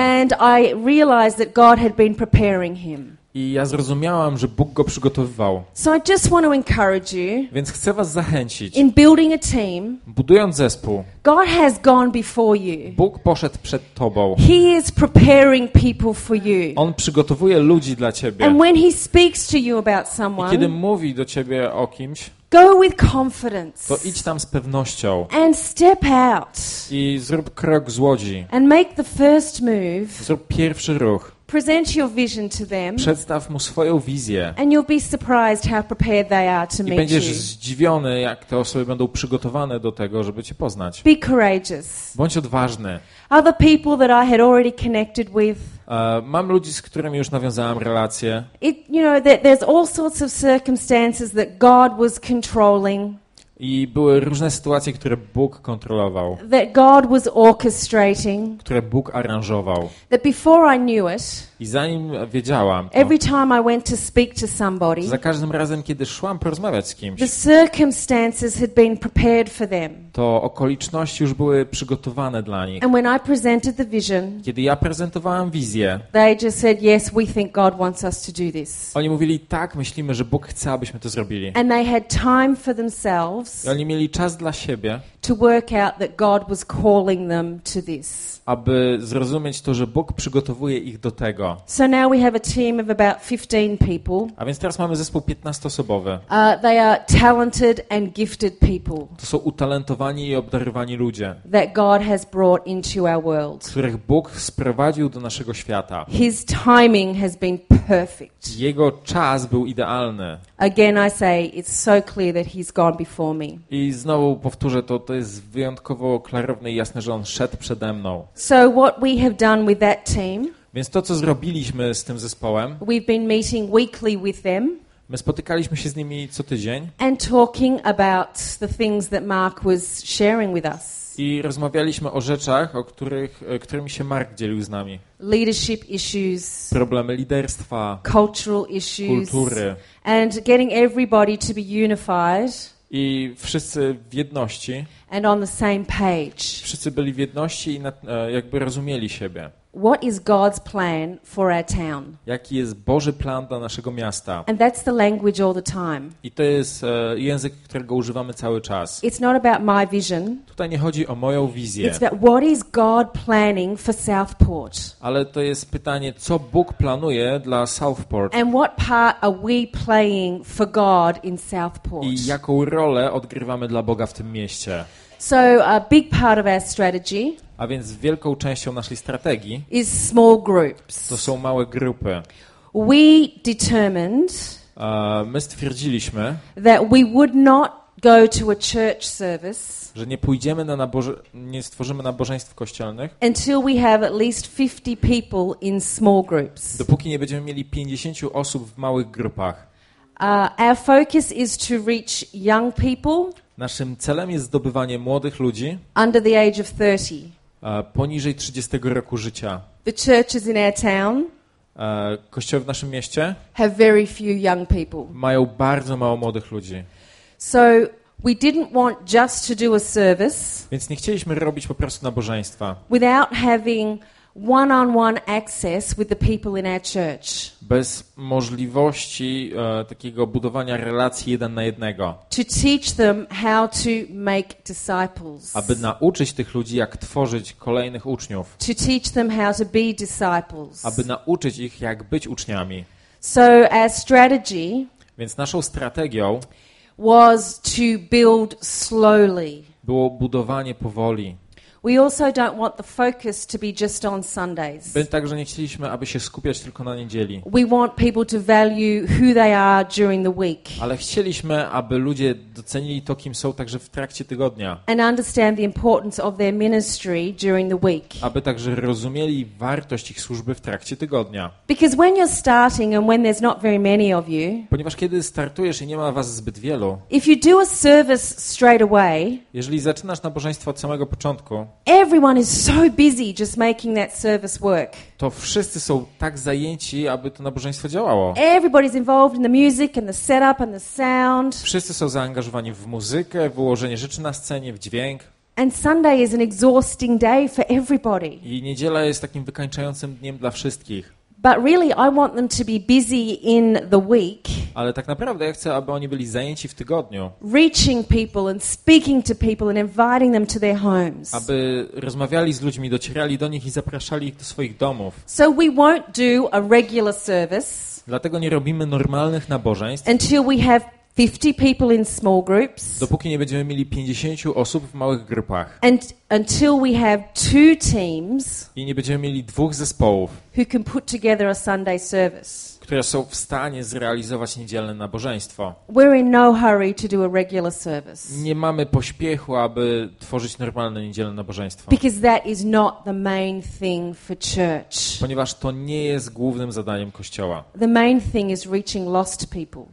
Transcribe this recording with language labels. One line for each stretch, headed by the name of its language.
English: And I realized that God had been preparing him.
Polish: I ja zrozumiałam, że Bóg go przygotowywał.
English: So I just want to encourage you.
Polish: Więc chcę was zachęcić.
English: In building a team.
Polish: Budując zespół.
English: God has gone before you.
Polish: Bóg poszedł przed tobą.
English: He is preparing people for you.
Polish: On przygotowuje ludzi dla ciebie.
English: And when he speaks to you about someone.
Polish: I kiedy mówi do ciebie o kimś.
English: Go with confidence.
Polish: To idź tam z pewnością.
English: And step out.
Polish: I zrób krok z łodzi.
English: And make the first move.
Polish: Zrób pierwszy ruch.
English: Present your vision to them.
Polish: Przedstaw mu swoją wizję.
English: And you'll be surprised how prepared they are to meet you.
Polish: I będziesz zdziwiony, jak te osoby będą przygotowane do tego, żeby cię poznać.
English: Be courageous.
Polish: Bądź odważny.
English: Other people that I had already connected with.
Polish: Mam ludzi, z którymi już nawiązałam relacje.
English: It, you know, that there's all sorts of circumstances that God was controlling.
Polish: I były różne sytuacje, które Bóg kontrolował.
English: That God was orchestrating.
Polish: Które Bóg aranżował.
English: That before I knew it.
Polish: I zanim wiedziałam. To,
English: every time I went to speak to somebody.
Polish: Za każdym razem, kiedy szłam porozmawiać z kimś.
English: The circumstances had been prepared for them.
Polish: To okoliczności już były przygotowane dla nich.
English: And when I presented the vision.
Polish: Kiedy ja prezentowałam wizję.
English: They just said, yes, we think God wants us to do this.
Polish: Oni mówili, tak, myślimy, że Bóg chce, abyśmy to zrobili.
English: And they had time for themselves. themselves.
Polish: Oni mieli czas dla siebie.
English: To work out that God was calling them to this.
Polish: Aby zrozumieć to, że Bóg przygotowuje ich do tego.
English: So now we have a team of about 15 people.
Polish: A więc teraz mamy zespół 15-osobowy.
English: They are talented and gifted people.
Polish: To są utalentowani i obdarowani ludzie.
English: That God has brought into our world.
Polish: Których Bóg sprowadził do naszego świata.
English: His timing has been perfect.
Polish: Jego czas był idealny.
English: Again I say it's so clear that he's gone before me.
Polish: I znowu powtórzę to, to jest wyjątkowo klarowne i jasne, że on szedł przede mną.
English: So what we have done with that team?
Polish: Więc to, co zrobiliśmy z tym zespołem?
English: We've been meeting weekly with them.
Polish: My spotykaliśmy się z nimi co tydzień.
English: And talking about the things that Mark was sharing with us.
Polish: I rozmawialiśmy o rzeczach, o których, którymi się Mark dzielił z nami.
English: Leadership issues.
Polish: Problemy liderstwa.
English: Cultural issues.
Polish: Kultury.
English: And getting everybody to be unified.
Polish: I wszyscy w jedności.
English: And on the same page.
Polish: Wszyscy byli w jedności i jakby rozumieli siebie.
English: What is God's plan for our town?
Polish: Jaki jest Boży plan dla naszego miasta?
English: And that's the language all the time.
Polish: I to jest język, którego używamy cały czas.
English: It's not about my vision.
Polish: Tutaj nie chodzi o moją wizję.
English: It's about what is God planning for Southport.
Polish: Ale to jest pytanie, co Bóg planuje dla Southport?
English: And what part are we playing for God in Southport?
Polish: I jaką rolę odgrywamy dla Boga w tym mieście?
English: So a big part of our strategy.
Polish: A więc wielką częścią naszej strategii
English: is small groups.
Polish: To są małe grupy.
English: We determined.
Polish: My stwierdziliśmy,
English: that we would not go to a church service.
Polish: Że nie pójdziemy na nie stworzymy nabożeństw kościelnych.
English: Until we have at least 50 people in small groups.
Polish: Dopóki nie będziemy mieli 50 osób w małych grupach.
English: Our focus is to reach young people.
Polish: Naszym celem jest zdobywanie młodych ludzi
English: under the age of 30.
Polish: Poniżej 30 roku życia.
English: The churches in our town
Polish: kościoły w naszym mieście
English: have very few young people.
Polish: Mają bardzo mało młodych ludzi.
English: So we didn't want just to do a service.
Polish: Więc nie chcieliśmy robić po prostu nabożeństwa.
English: Without having one-on-one access with the people in our church.
Polish: Bez możliwości takiego budowania relacji jeden na jednego.
English: To teach them how to make disciples.
Polish: Aby nauczyć tych ludzi, jak tworzyć kolejnych uczniów.
English: To teach them how to be disciples.
Polish: Aby nauczyć ich, jak być uczniami.
English: So our strategy.
Polish: Więc naszą strategią
English: was to build slowly.
Polish: Było budowanie powoli.
English: We also don't want the focus to be just on Sundays.
Polish: My także nie chcieliśmy, aby się skupiać tylko na niedzieli.
English: We want people to value who they are during the week.
Polish: Ale chcieliśmy, aby ludzie docenili to, kim są także w trakcie tygodnia.
English: And understand the importance of their ministry during the week.
Polish: Aby także rozumieli wartość ich służby w trakcie tygodnia.
English: Because when you're starting and when there's not very many of you.
Polish: Ponieważ kiedy startujesz i nie ma was zbyt wielu.
English: If you do a service straight away.
Polish: Jeżeli zaczynasz nabożeństwo od samego początku.
English: Everyone is so busy just making that service work.
Polish: To wszyscy są tak zajęci, aby to nabożeństwo działało.
English: Everybody's involved in the music and the setup and the sound.
Polish: Wszyscy są zaangażowani w muzykę, w ułożenie rzeczy na scenie, w dźwięk.
English: And Sunday is an exhausting day for everybody.
Polish: I niedziela jest takim wykańczającym dniem dla wszystkich.
English: But really I want them to be busy in the week.
Polish: Ale tak naprawdę ja chcę, aby oni byli zajęci w tygodniu.
English: Reaching people and speaking to people and inviting them to their homes.
Polish: Aby rozmawiali z ludźmi, docierali do nich i zapraszali ich do swoich domów.
English: So we won't do a regular service.
Polish: Dlatego nie robimy normalnych nabożeństw.
English: Until we have 50 people in small groups.
Polish: Dopóki nie będziemy mieli 50 osób w małych grupach.
English: And until we have two teams.
Polish: I nie będziemy mieli dwóch zespołów.
English: Who can put together a Sunday service.
Polish: Które są w stanie zrealizować niedzielne nabożeństwo.
English: We're in no hurry to do a regular service.
Polish: Nie mamy pośpiechu, aby tworzyć normalne niedzielne nabożeństwo.
English: Because that is not the main thing for church.
Polish: Ponieważ to nie jest głównym zadaniem Kościoła.
English: The main thing is reaching lost people.